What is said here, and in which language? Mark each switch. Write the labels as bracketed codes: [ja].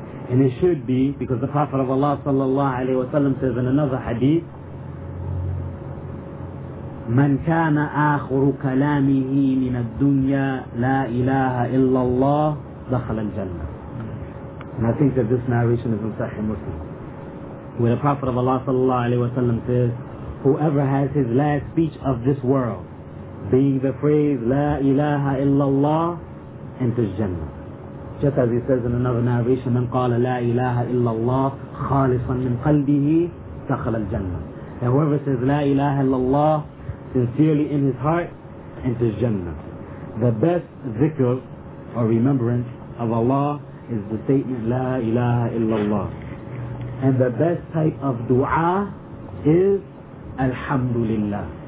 [en] And it should be, because the Prophet of Allah sallallahu alayhi wa sallam says in another hadith, [ar] مَنْ كَانَ آخُرُ كَلَامِهِ مِنَ الدُّنْيَا لَا إِلَهَ إِلَّا اللَّهِ دَخَلَ الْجَنَّةِ. [en] And I think that this narration is in Sahih Muslim, where the Prophet of Allah sallallahu alayhi wa sallam says, whoever has his last speech of this world, being the phrase [ar] لَا إِلَهَ إِلَّا اللَّهِ, [en] enters Jannah. Just as he says in another narration, [ar] مَنْ قَالَ لَا إِلَهَ إِلَّا اللَّهِ خَالِصًا مِنْ قَلْبِهِ دَخَلَ الْجَنَّةِ. [en] And whoever says [ar] لَا إِلَهَ إِلَّا اللَّهِ [en] sincerely in his heart, enters Jannah. The best zikr or remembrance of Allah is the statement [ar] لَا إِلَهَ إِلَّا اللَّهِ. [en] And the best type of dua is Alhamdulillah.